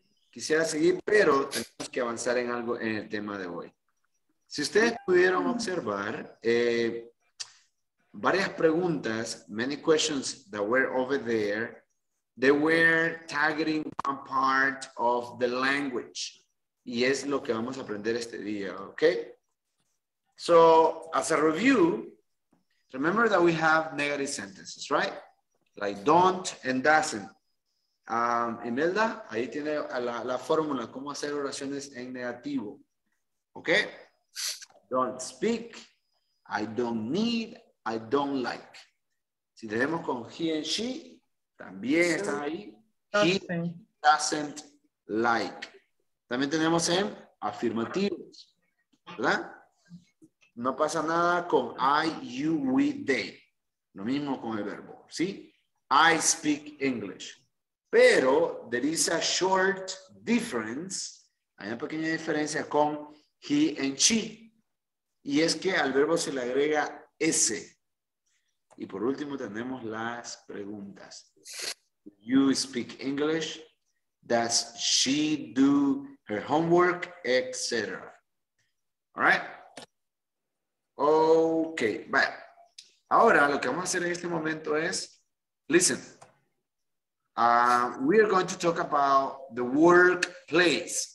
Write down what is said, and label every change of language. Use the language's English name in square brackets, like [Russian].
[Spanish] Quisiera seguir, pero tenemos que avanzar en algo en el tema de hoy. Si ustedes pudieron observar, varias preguntas, [English] many questions that were over there, they were targeting one part of the language. [Spanish] Y es lo que vamos a aprender este día, [English] okay? So, as a review, remember that we have negative sentences, right? Like don't and doesn't. [Spanish] Imelda, ahí tiene la fórmula, cómo hacer oraciones en negativo. [English] Okay? Don't speak, I don't need, I don't like. [Spanish] Si tenemos con he and she, también está ahí. [English] He doesn't like. [Spanish] También tenemos en afirmativos, ¿verdad? No pasa nada con I, you, we, they. Lo mismo con el verbo, ¿sí? [English] I speak English. Pero there is a short difference, [Spanish] hay una pequeña diferencia con [English] he and she. [Spanish] Y es que al verbo se le agrega S. Y por último tenemos las preguntas. [English] You speak English? Does she do her homework? Etc. All right? [Spanish] Okay. Bueno. Ahora lo que vamos a hacer en este momento es, listen. [English] We are going to talk about the workplace.